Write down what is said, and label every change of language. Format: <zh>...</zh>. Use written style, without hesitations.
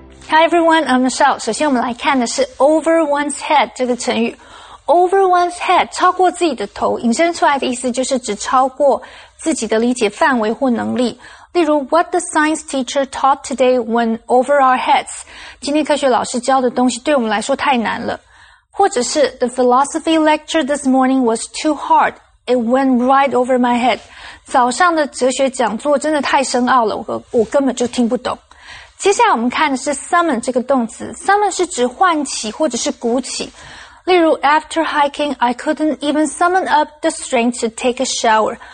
<en>Hi, everyone. I'm Michelle.</en> <zh>首先我们来看的是 over one's head 这个成语。 Over one's head, 超过自己的头，引申出来的意思就是指超过自己的理解范围或能力。例如</zh> <en>,what the science teacher taught today went over our heads.</en> <zh>今天科学老师教的东西对我们来说太难了。或者是</zh> <en>,the philosophy lecture this morning was too hard. It went right over my head.</en> <zh>早上的哲学讲座真的太深奥了 我根本就听不懂。接下来我们看的是 summon 这个动词。summon 是指唤起或者是鼓起。例如</zh> <en>,after hiking, I couldn't even summon up the strength to take a shower.</en>